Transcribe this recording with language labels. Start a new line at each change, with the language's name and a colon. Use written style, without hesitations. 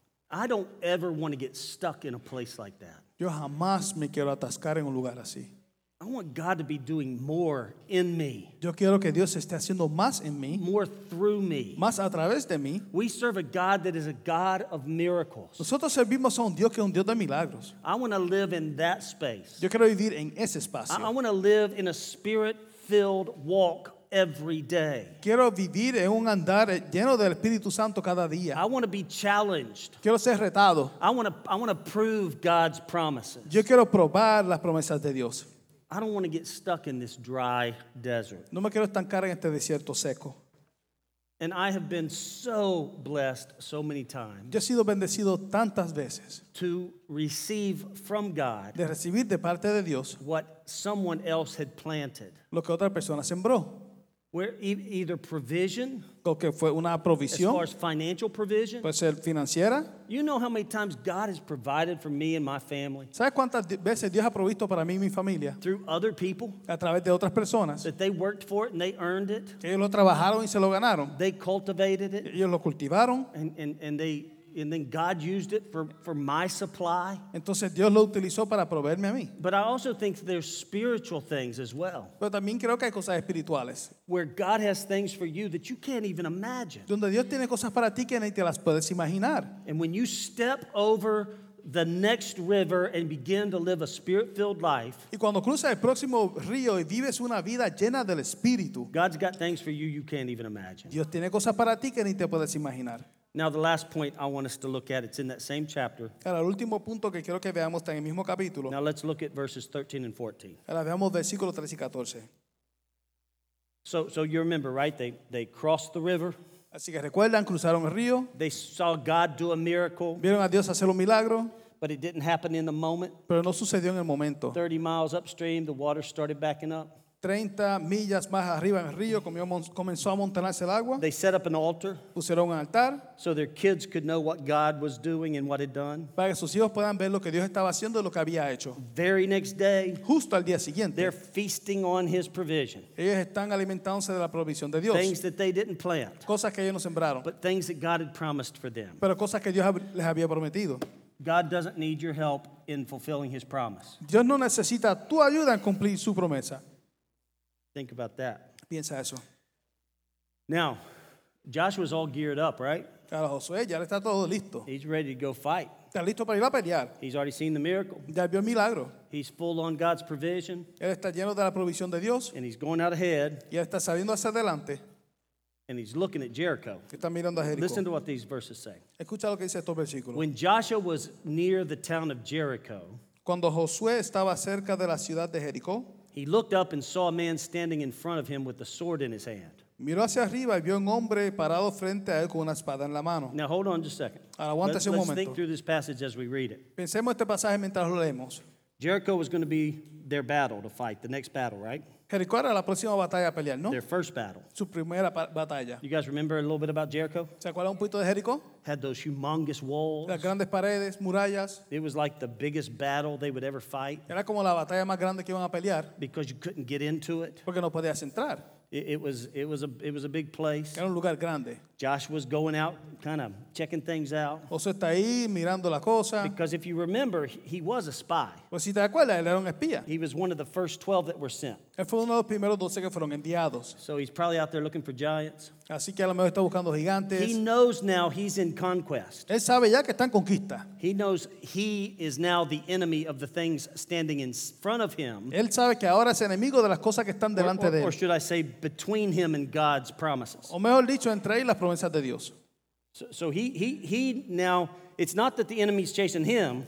English: I don't ever want to get stuck in a place like that.
Spanish: Yo jamás me quiero atascar en un lugar así.
English: I want God to be doing more in me.
Spanish: Yo quiero que Dios esté haciendo más en mí.
English: More through me.
Spanish: Más a través de mí.
English: We serve a God that is a God of miracles.
Spanish: Nosotros servimos a un Dios que es un Dios de milagros.
English: I want to live in that space.
Spanish: Yo quiero vivir en ese espacio.
English: I want to live in a spirit-filled walk every day.
Spanish: Quiero vivir en un andar lleno del Espíritu Santo cada día.
English: I want to be challenged.
Spanish: Quiero ser retado.
English: I want to prove God's promises.
Spanish: Yo quiero probar las promesas de Dios.
English: I don't want to get stuck in this dry desert.
Spanish: No me quiero estancar en este desierto seco.
English: And I have been so blessed so many times.
Spanish: Yo he sido bendecido tantas veces.
English: To receive from God.
Spanish: De recibir de parte de Dios.
English: What someone else had planted.
Spanish: Lo que otra persona sembró.
English: Where either provision.
Spanish: Que fue una provisión.
English: As far as financial provision.
Spanish: Puede ser financiera.
English: You know how many times God has provided for me and my family.
Spanish: ¿Sabes cuántas veces Dios ha provisto para mí y mi familia?
English: Through other people.
Spanish: A través de otras personas.
English: That they worked for it and they earned it.
Spanish: Que ellos lo trabajaron y se lo ganaron.
English: They cultivated it.
Spanish: Ellos lo cultivaron.
English: And then God used it for my supply.
Spanish: Entonces Dios lo utilizó para proveerme a mí.
English: But I also think there's spiritual things as well.
Spanish: Pero también creo que hay cosas espirituales.
English: Where God has things for you that you can't even imagine.
Spanish: Donde Dios tiene cosas para ti que ni te las puedes imaginar.
English: And when you step over the next river and begin to live a spirit-filled life.
Spanish: Y cuando cruzas el próximo río y vives una vida llena del espíritu.
English: God's got things for you you can't even imagine.
Spanish: Dios tiene cosas para ti que ni te puedes imaginar.
English: Now the last point I want us to look at, it's in that same chapter.
Spanish: Ahora, el último punto que quiero que veamos está en el mismo capítulo.
English: Now let's look at verses 13 and 14.
Spanish: Ahora, veamos versículos 13 y 14.
English: So you remember, right? They crossed the river.
Spanish: Así que recuerdan, cruzaron el río.
English: They saw God do a miracle.
Spanish: Vieron a Dios hacer un milagro.
English: But it didn't happen in the moment.
Spanish: Pero no sucedió en el momento.
English: 30 miles upstream, the water started backing up.
Spanish: 30 millas más arriba en el río comenzó a montarse el agua.
English: They set up an altar.
Spanish: Pusieron un altar.
English: So their kids could know what God was doing and what had done.
Spanish: Para que sus hijos puedan ver lo que Dios estaba haciendo y lo que había hecho.
English: Very next day.
Spanish: Justo al día siguiente.
English: They're feasting on his provision.
Spanish: Ellos están alimentándose de la provisión de Dios.
English: Things that they didn't plant.
Spanish: Cosas que ellos no sembraron.
English: But things that God had promised for them.
Spanish: Pero cosas que Dios les había prometido.
English: God doesn't need your help in fulfilling his promise.
Spanish: Dios no necesita tu ayuda en cumplir su promesa.
English: Think about that.
Spanish: Piensa eso.
English: Now, Joshua's all geared up, right?
Spanish: Ahora Josué ya está todo listo.
English: He's ready to go fight.
Spanish: Está listo para ir a pelear.
English: He's already seen the miracle.
Spanish: Ya vio el milagro.
English: He's full on God's provision.
Spanish: Él está lleno de la provisión de Dios.
English: And he's going out ahead.
Spanish: Y él está saliendo hacia adelante.
English: And he's looking at Jericho.
Spanish: Está mirando a Jericho.
English: Listen to what these verses say.
Spanish: Escucha lo que dice estos versículos.
English: When Joshua was near the town of Jericho.
Spanish: Cuando Josué estaba cerca de la ciudad de Jericó.
English: He looked up and saw a man standing in front of him with a sword in his hand.
Spanish: Miró hacia arriba y vio un hombre parado frente a él con una espada en la mano.
English: Now hold on just a second.
Spanish: Ahora aguántese un momento.
English: Let's think through this passage as we read it.
Spanish: Pensemos este pasaje mientras lo leemos.
English: Jericho was going to be their battle to fight, the next battle, right?
Spanish: Jericó era la próxima batalla a pelear, ¿no?
English: Their first battle.
Spanish: Su primera batalla.
English: You guys remember a little bit about Jericho?
Spanish: ¿Se acuerdan un poquito de Jericó?
English: Had those humongous walls.
Spanish: Las grandes paredes, murallas.
English: It was like the biggest battle they would ever fight.
Spanish: Era como la batalla más grande que iban a pelear.
English: Because you couldn't get into it.
Spanish: Porque no podías entrar.
English: It was a big place.
Spanish: Era un lugar grande.
English: Josh was going out, kind of checking things out.
Spanish: José está ahí mirando la cosa.
English: Because if you remember, he was a spy.
Spanish: Pues si te acuerdas, él era un espía.
English: He was one of the first 12 that were sent.
Spanish: Él fue uno de los primeros 12 que fueron enviados.
English: So he's probably out there looking for giants.
Spanish: Así que a lo mejor está buscando gigantes.
English: He knows now he's in conquest.
Spanish: Él sabe ya que está en conquista.
English: He knows he is now the enemy of the things standing in front of him.
Spanish: Él sabe que ahora es enemigo de las cosas que están delante de él.
English: Or should I say, between him and God's promises.
Spanish: O mejor dicho, entre él y las promesas de Dios.
English: So he now, it's not that the enemy's chasing him.